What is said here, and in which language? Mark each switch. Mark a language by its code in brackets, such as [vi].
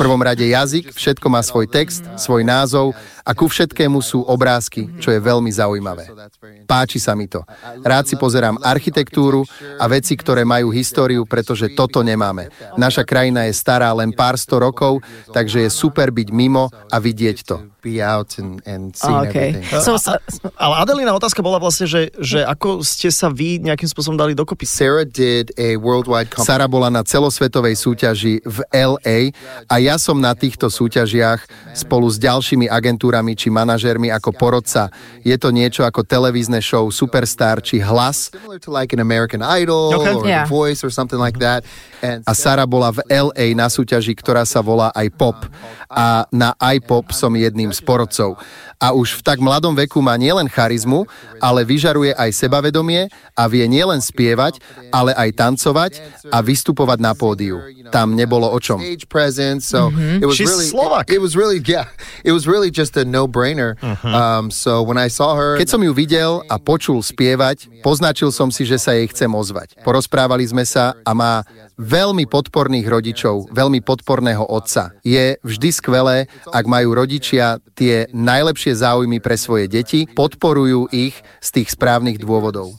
[sk] V prvom rade jazyk, všetko má svoj text, svoj názov a ku všetkému sú obrázky, čo je veľmi zaujímavé. Páči sa mi to. Rád si pozerám architektúru a veci, ktoré majú históriu, pretože toto nemáme. Naša krajina je stará len pár sto rokov, takže je super byť mimo a vidieť to. [en] be out and seeing everything. [sk] Ale Adelina, otázka bola vlastne, že ako ste sa vy nejakým spôsobom dali dokopy? [en] Sarah did a worldwide competition. [sk] Sarah bola na celosvetovej súťaži v LA a ja som na týchto súťažiach spolu s ďalšími agentúrami či manažermi ako porodca. Je to niečo ako televízne show Superstar či Hlas. [en] Similar to like an American Idol or The Voice or something like that. [sk] A Sarah bola v LA na súťaži, ktorá sa volá iPop. A na iPop som jedným z porodcov. A už v tak mladom veku má nielen charizmu, ale vyžaruje aj sebavedomie a vie nielen spievať, ale aj tancovať a vystupovať na pódiu. Tam nebolo o čom. [en] She's Slovak. It was really just a no-brainer. So when I saw her, [sk] keď som ju videl a počul spievať, poznačil som si, že sa jej chcem ozvať. Porozprávali sme sa a má veľmi podporných rodičov, veľmi podporného otca. Je vždy skvelé, ak majú rodičia tie najlepšie záujmy pre svoje deti, podporujú ich z tých správnych dôvodov.